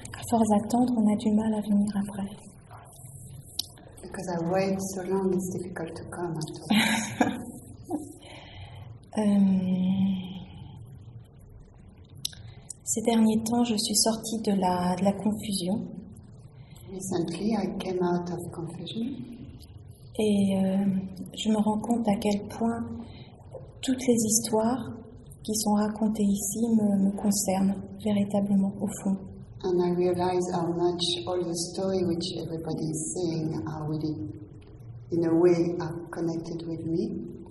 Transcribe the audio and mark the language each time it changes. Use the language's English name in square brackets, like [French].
[French] Sans attendre, on a du mal à venir après. [English] Because I wait so long, it's difficult to come after. [French] Ces derniers temps, je suis sortie de la confusion. [English] Recently, I came out of confusion. [French] Et je me rends compte à quel point toutes les histoires qui sont racontées ici me concernent véritablement au fond. [English] And I realize how much all the story which everybody is saying are really, in a way, are connected with me.